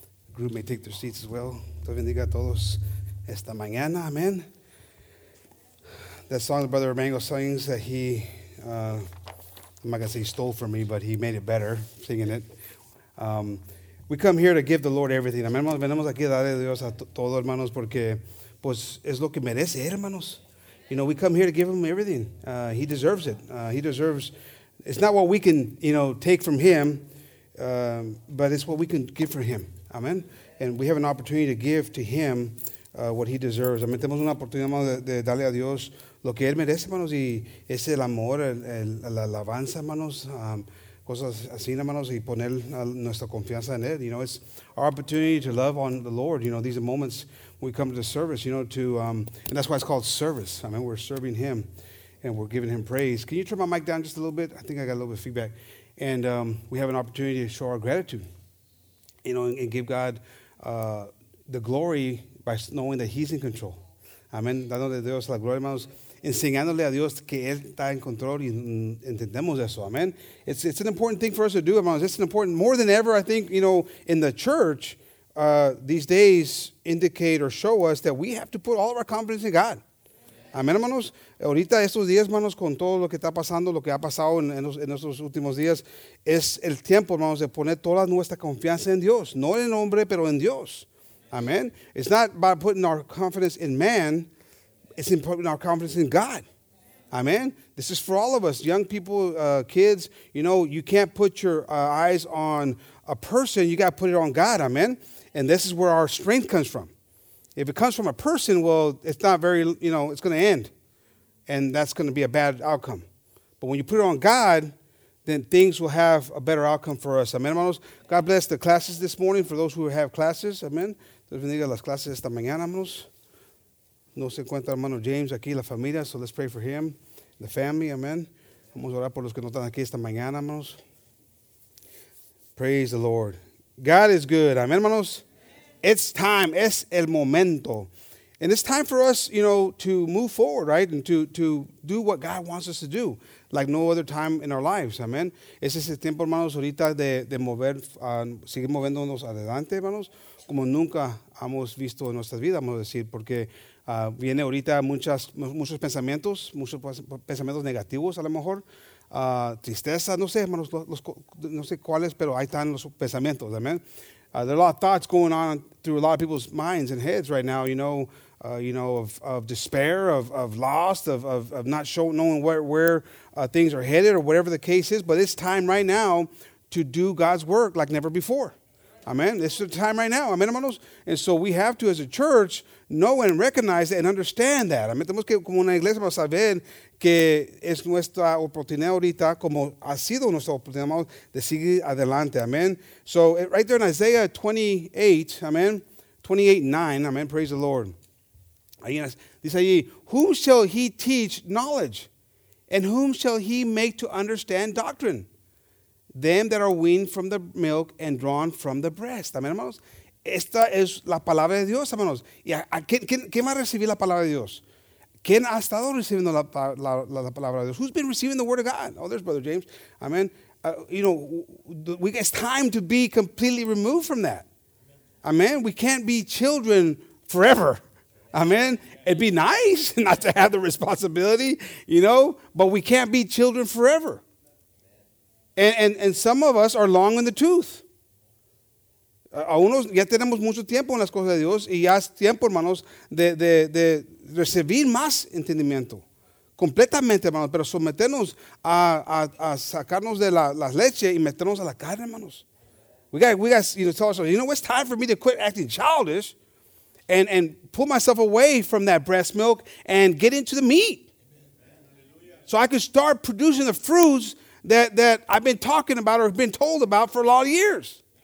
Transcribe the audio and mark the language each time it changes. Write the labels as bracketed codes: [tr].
[en] The group may take their seats as well. [es] Dios bendiga a todos esta mañana. [en] Amen. That song Brother Mango sings that he, I'm not going to say he stole from me, but he made it better singing it. We come here to give the Lord everything. [es] Amen, hermanos. Venimos aquí a darle a Dios a todos, hermanos, porque pues es lo que merece, hermanos. [en] You know, we come here to give him everything. He deserves it. He deserves. It's not what we can, you know, take from him, but it's what we can give for him. Amen. And we have an opportunity to give to him what he deserves. [es] Amen. Tenemos una oportunidad, hermanos, de darle a Dios lo que él merece, hermanos, y es el amor, la alabanza, hermanos, cosas así, hermanos, y poner nuestra confianza en él. [en] You know, it's our opportunity to love on the Lord. You know, these are moments when we come to service, you know, to, and that's why it's called service. I mean, we're serving him and we're giving him praise. Can you turn my mic down just a little bit? I think I got a little bit of feedback. And we have an opportunity to show our gratitude, you know, and give God the glory by knowing that he's in control. [es] Amén. Dándole a Dios la gloria, hermanos. Enseñándole a Dios que Él está en control. Y entendemos eso. [en] Amén. It's an important thing for us to do, hermanos. It's an important, more than ever, I think, you know, in the church, these days indicate or show us that we have to put all of our confidence in God. [es] Amén, hermanos. Ahorita estos días, hermanos, con todo lo que está pasando, lo que ha pasado en estos últimos días, es el tiempo, hermanos, de poner toda nuestra confianza en Dios. No en el hombre, pero en Dios. Amen. [en] It's not by putting our confidence in man. It's in putting our confidence in God. Amen. This is for all of us, young people, kids. You know, you can't put your eyes on a person. You got to put it on God. Amen. And this is where our strength comes from. If it comes from a person, well, it's not very, you know, it's going to end. And that's going to be a bad outcome. But when you put it on God, then things will have a better outcome for us. Amen, hermanos. God bless the classes this morning for those who have classes. [es] Amen. Dios bendiga las clases esta mañana, hermanos. No se encuentra hermano James aquí, la familia. [en] So let's pray for him, the family. Amen. [es] Vamos a orar por los que no están aquí esta mañana, hermanos. [en] Praise the Lord. God is good. Amen, hermanos. It's time. [es] Es el momento. [en] And it's time for us, you know, to move forward, right? And to do what God wants us to do. Like no other time in our lives, amen. [es] Es ese tiempo, hermanos, ahorita de mover, seguir moviéndonos adelante, hermanos, como nunca hemos visto en nuestras vidas, vamos a decir, porque viene ahorita muchos pensamientos negativos, a lo mejor, tristeza, no sé, hermanos, no sé cuáles, pero ahí están los pensamientos, amen. [en] There are a lot of thoughts going on through a lot of people's minds and heads right now, of despair, of lost, of not knowing where things are headed or whatever the case is. But it's time right now to do God's work like never before. Amen. It's the time right now. Amen, hermanos. And so we have to, as a church, know and recognize and understand that. Amen. [es] Tenemos que, como una iglesia, saber que es nuestra oportunidad ahorita, como ha sido nuestra oportunidad de seguir adelante. [en] Amen. So right there in Isaiah 28, amen, 28:9, amen, praise the Lord. [es] Dice allí, [en] whom shall he teach knowledge? And whom shall he make to understand doctrine? Them that are weaned from the milk and drawn from the breast. [es] Amen, hermanos. Esta es la palabra de Dios, hermanos. ¿Quién va a recibir la palabra de Dios? ¿Quién ha estado recibiendo la palabra de Dios? [en] Who's been receiving the word of God? Oh, there's Brother James. Amen. You know, it's time to be completely removed from that. Amen. We can't be children forever. Amen. It'd be nice not to have the responsibility, you know, but we can't be children forever. And some of us are long in the tooth. [es] A unos ya tenemos mucho tiempo en las cosas de Dios y ya es tiempo, hermanos, de recibir más entendimiento. completamente, hermanos, pero someternos a sacarnos de la leche y meternos a la carne, hermanos. [en] We got you know, tell ourselves, you know, it's time for me to quit acting childish and pull myself away from that breast milk and get into the meat. So I can start producing the fruits that I've been talking about or been told about for a lot of years.